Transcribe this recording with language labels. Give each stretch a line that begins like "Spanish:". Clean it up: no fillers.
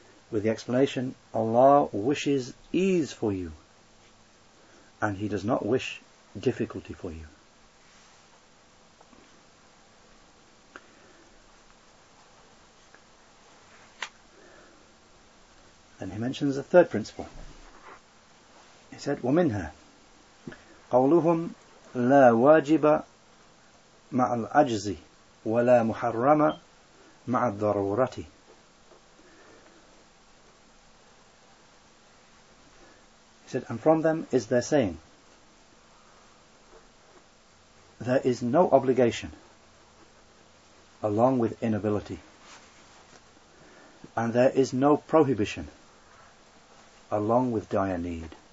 English: With the explanation, Allah wishes ease for you, and He does not wish difficulty for you. Then he mentions a third principle. He said,
Arabic: وَمِنْهَا قَوْلُهُمْ لَا وَاجِبَ مَعَ الْعَجْزِ وَلَا مُحَرَّمَ مَعَ الضَّرُورَةِ.
English: He said, and from them is their saying, there is no obligation along with inability, and there is no prohibition along with dire need.